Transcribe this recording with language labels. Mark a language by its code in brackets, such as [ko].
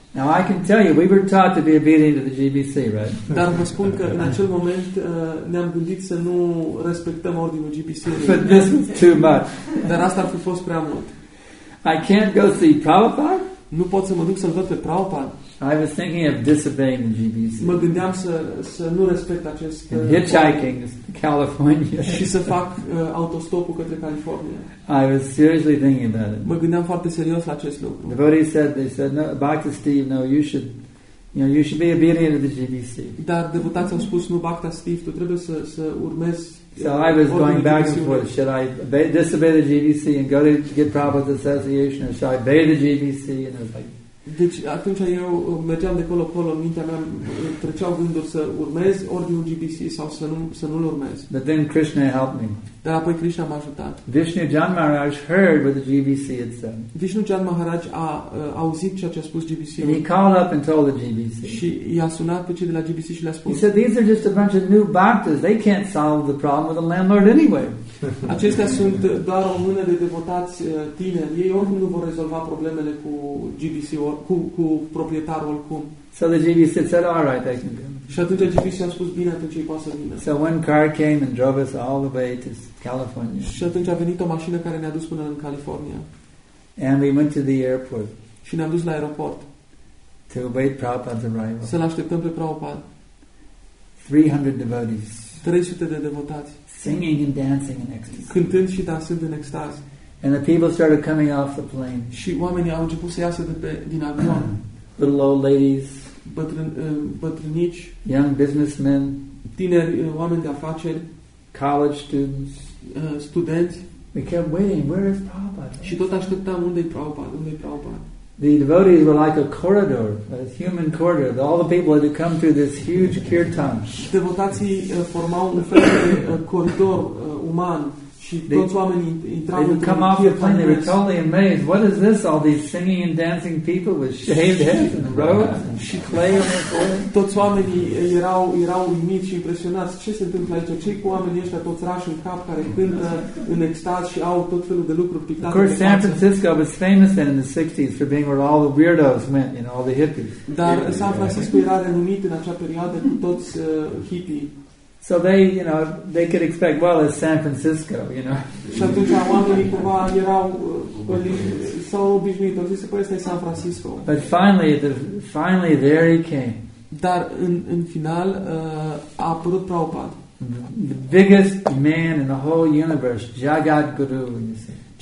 [en] Now I can tell you, we were taught to be obedient to the GBC, right? [ro] Dar vă spun că în acel moment ne-am gândit să nu respectăm ordinul GBC-ului. [en] But this was too much. [ro] Dar asta ar fi fost prea mult. [en] I can't go see Prabhupada? [ro] Nu pot să mă duc să-l văd pe Prabhupada. [en] I was thinking of disobeying the GBC. [ro] Mă gândeam să nu respect acest [en] and hitchhiking California. [ro] Și să fac autostopul către California. [en] I was seriously thinking about it. [ro] Mă gândeam foarte serios la acest lucru. [en] Devotees said, they said, no, Bhakta Steve, no, you should be obedient to the GBC. [ro] Dar devotații au spus, nu, Bhakta Steve, tu trebuie să urmezi. [en] So I was going back and forth. Should I disobey the GBC and go to get Prabhupada's association, or should I obey the GBC? And I was like. [ro] Deci atunci eu mergeam de colo-colo, în mintea mea treceau gânduri să urmez ordinul GBC sau să nu-l urmez. [en] But then Krishna helped me. [ro] Dar apoi Krishna m-a ajutat. [en] Vishnu Jan Maharaj heard what the GBC had said. [ro] Vishnu Jan Maharaj a auzit ceea ce a spus GBC. [en] And he called up and told the GBC. [ro] Și i-a sunat pe cei de la GBC și le-a spus. [en] He said, these are just a bunch of new bhaktas. They can't solve the problem with the landlord anyway. [ro] Acestea sunt doar o mână de devotați tineri. Ei oricum nu vor rezolva problemele cu GBC cu proprietarul oricum. [en] So the GBC said, all right, I can go. [ro] Și atunci GBC a spus, bine, atunci ei poate să vină. [en] So one car came and drove us all the way to California. [ro] Și atunci a venit o mașină care ne-a dus până în California. [en] And we went to the airport. [ro] Și ne-am dus la aeroport. [en] To await Prabhupada's arrival. [ro] Să-l așteptăm pe Prabhupada. [en] 300 devotees. [ro] 300 de devotați. [en] Singing and dancing in ecstasy. [ro] Cântând și dansând în extaz. [en] And the people started coming off the plane. [ro] Și oamenii au început să iasă din avion. [en] Little old ladies. [ro] Bătrânici. [en] Young businessmen. [ro] Tineri, oameni de afaceri. [en] College students. [ro] Studenți. [en] We kept waiting. Where is Prabhupada? [ro] Și tot așteptam, unde-i Prabhupada? Unde-i Prabhupada? [en] The devotees were like a corridor, a human corridor. All the people had to come through this huge kirtan. [ro] Devotații formau un fel de coridor uman și toți oamenii intrau în [en] They would come off the plane, they were totally amazed. What is this? All these singing and dancing people with shaved heads and robes and she clay on their forehead. [ro] Toți oamenii erau uimiți și impresionați. Ce se întâmplă aici? Cei cu oamenii ăștia toți rași în cap care cântă în extaz și au tot felul de lucruri pictate. [en] Of course, San Francisco was famous then in the 60s for being where all the weirdos went, you know, all the hippies. [ro] Dar San Francisco era renumit în acea perioadă cu toți hippie. [en] So they, you know, they could expect, well, it's San Francisco, you know. [ro] Și atunci oamenii cumva erau s-au obișnuit, au zis, păi, ăsta e San Francisco. [en] But finally, there he came. [ro] Dar în final, a apărut Prabhupada. [en] The biggest man in the whole universe, Jagat Guru, you see.